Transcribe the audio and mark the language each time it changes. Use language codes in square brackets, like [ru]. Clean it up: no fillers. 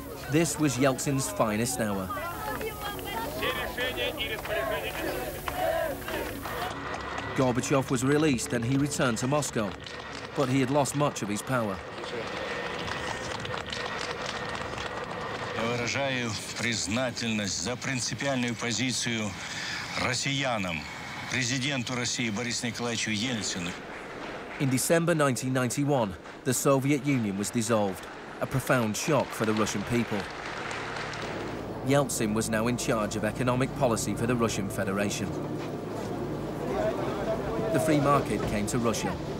[en] This was Yeltsin's finest hour. Gorbachev was released and he returned to Moscow, but he had lost much of his power. [ru] Я выражаю признательность за принципиальную позицию россиянам, президенту России Борис Николаевичу Ельцину. [en] In December 1991, the Soviet Union was dissolved, a profound shock for the Russian people. Yeltsin was now in charge of economic policy for the Russian Federation. The free market came to Russia.